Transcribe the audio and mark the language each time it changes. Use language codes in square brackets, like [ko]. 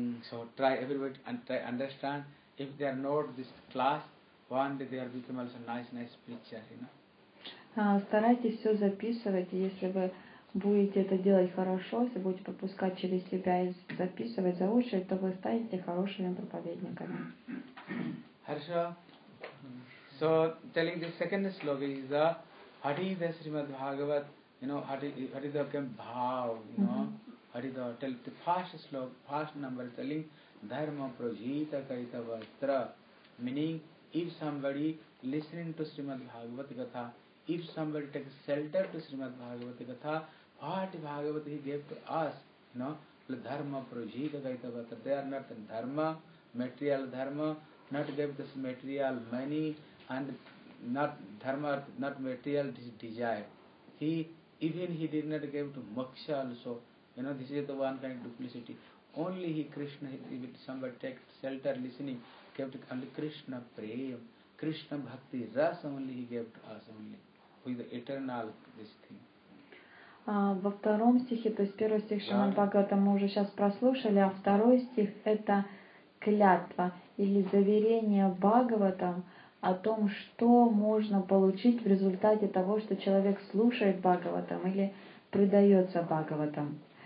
[en] So try everybody and try understand if they are not this class, one day they are become also nice preacher, you know. [ru] Старайтесь все записывать, если вы будете это делать хорошо, если будете пропускать через себя и записывать, заучивать, то вы станете хорошими проповедниками. Хорошо. [en] So, telling the second slogan is the Hari the Srimad Bhagavat, you know, Hari the Kem Bhav, you know, Hari the, tell the first slogan, first number telling Dharma Prajita Kaita Vastra, meaning if somebody listening to Srimad Bhagavat Gatha, if somebody takes shelter to Srimad Bhagavat Gatha, what Bhagavad he gave to us, you know, dharma prajita gaita vata. They are not dharma, material dharma, not gave this material money, and not dharma, not material this desire. He did not give to moksha also. You know, this is the one kind of duplicity. Only he, Krishna, if somebody takes shelter, listening, gave to only Krishna prem, Krishna bhakti, rasa only he gave to us only, with the eternal this thing. [ru] Во втором стихе, то есть первый стих Шримад-Бхагаватам мы уже сейчас прослушали, а второй стих — это клятва или заверение Бхагаватам о том, что можно получить в результате того, что человек слушает Бхагаватам или предается Бхагаватам.